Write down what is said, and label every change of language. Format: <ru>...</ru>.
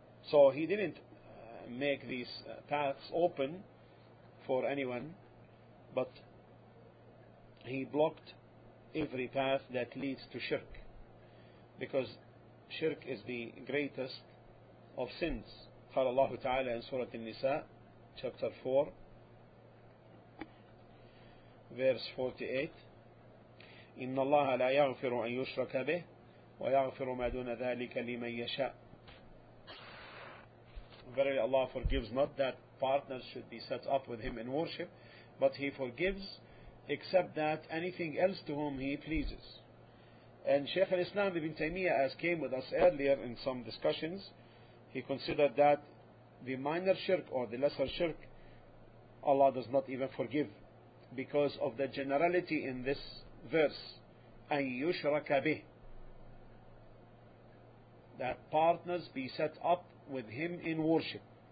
<en>So he didn't make these paths open for anyone, but he blocked every path that leads to shirk, because shirk is the greatest of sins.</en> <ar>قال الله تعالى</ar> <en>in Surah An-Nisa, chapter 4, verse 48,</en> <ar>إِنَّ اللَّهَ لَا يَغْفِرُ أَن يُشْرَكَ بِهِ وَيَغْفِرُ مَا دُونَ ذَلِكَ لِمَن يَشَاءُ.</ar> <en>Verily Allah forgives not that partners should be set up with him in worship, but he forgives except that anything else to whom he pleases. And Shaykh al-Islam ibn Taymiyyah, as came with us earlier in some discussions, he considered that the minor shirk or the lesser shirk, Allah does not even forgive, because of the generality in this verse,</en> <ar>أَن يُشْرَكَ بِهِ,</ar> <en>that partners be set up with him in worship.</en>